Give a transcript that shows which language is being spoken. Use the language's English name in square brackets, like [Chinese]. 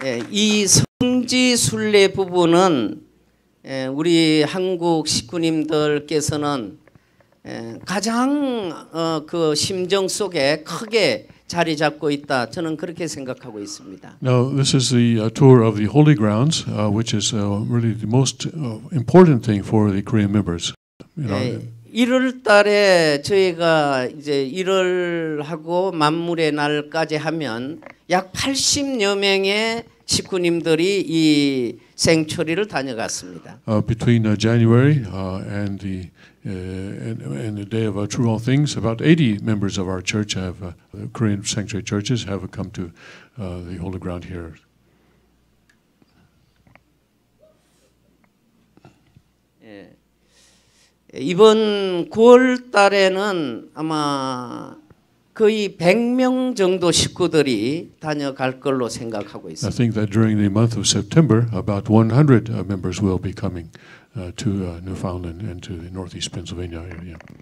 [Korean] 이 성지 순례 부분은 우리 한국 식구님들께서는 가장 그 심정 속에 크게 자리 잡고 있다. 저는 그렇게 생각하고 있습니다. [English] Now this is the tour of the holy grounds, which is really the most important thing for the Korean members. You know. [Korean] 1월 달에 저희가 이제 1월하고 만물의 날까지 하면 약 80여 명의 식구님들이 이 생초리를 다녀갔습니다. [English] Between January and the and the day of our True All Things, about 80 members of our church have Korean sanctuary churches have come to the holy ground here. [Korean] 이번 9월 달에는 아마 거의 100명 정도 식구들이 다녀갈 걸로 생각하고 있습니다. [English] I think that during the month of September, about 100 members will be coming to Newfoundland and to the Northeast Pennsylvania area.